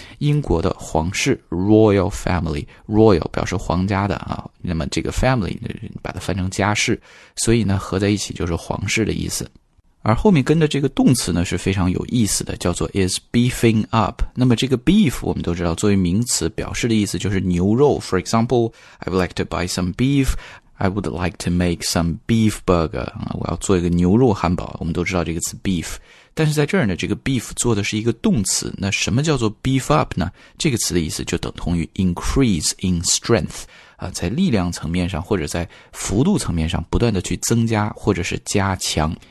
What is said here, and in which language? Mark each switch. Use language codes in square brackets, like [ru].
[zh] 英国的皇室 Royal Family， Royal 表示皇家的啊，那么这个 Family 把它翻成家室，所以呢合在一起就是皇室的意思。而后面跟着这个动词呢是非常有意思的，叫做 [en] is beefing up。 [zh] 那么这个 beef 我们都知道作为名词表示的意思就是牛肉。 [en] For example, I would like to buy some beef. I would like to make some beef burger. [zh] 我要做一个牛肉汉堡，我们都知道这个词 beef。但是在这儿呢，这个 beef 做的是一个动词，那什么叫做 beef up 呢？这个词的意思就等同于 [en] increase in strength， [zh] 在力量层面上或者在幅度层面上不断的去增加或者是加强。